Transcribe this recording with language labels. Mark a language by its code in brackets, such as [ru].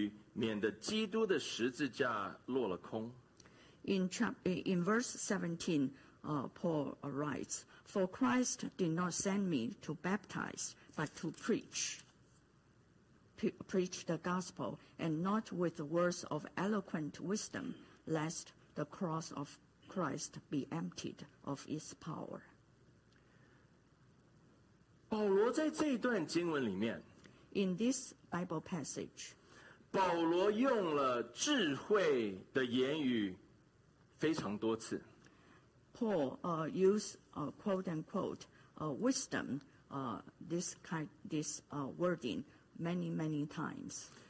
[zh] 保罗在第十七节的时候告诉哥林多的信徒，他说：“基督差遣我，原不是为了要施洗，乃是为了要传福音，并不是用智慧的言语，免得基督的十字架落了空。” [en] In verse 17, Paul writes, "For Christ did not send me to baptize, but to preach the gospel, and not with the words of eloquent wisdom, lest the cross of Christ be emptied of its power." [zh] 保罗在这一段经文里面, [en] in this Bible passage, [zh] 保罗用了智慧的言语 非常多次。 [en] Paul used quote unquote wisdom this wording many times.